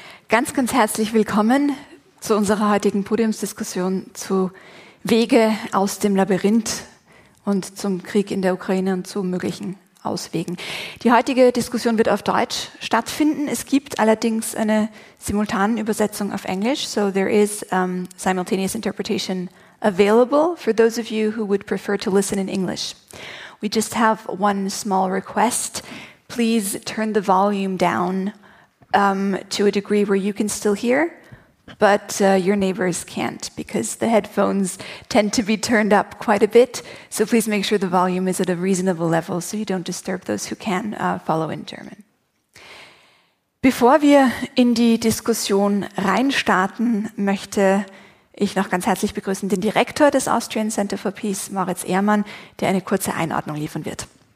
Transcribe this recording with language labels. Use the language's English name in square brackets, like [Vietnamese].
[German] Ganz, ganz herzlich willkommen zu unserer heutigen Podiumsdiskussion zu Wege aus dem Labyrinth und zum Krieg in der Ukraine und zu möglichen Auswegen. Die heutige Diskussion wird auf Deutsch stattfinden. Es gibt allerdings eine simultane Übersetzung auf Englisch. [English] So there is simultaneous interpretation available for those of you who would prefer to listen in English. We just have one small request. Please turn the volume down to a degree where you can still hear, but your neighbors can't because the headphones tend to be turned up quite a bit. So please make sure the volume is at a reasonable level so you don't disturb those who can follow in German. [German] Bevor wir in die Diskussion reinstarten, möchte ich noch ganz herzlich begrüßen den Direktor des Austrian Center for Peace, Moritz Ehrmann, der eine kurze Einordnung liefern wird.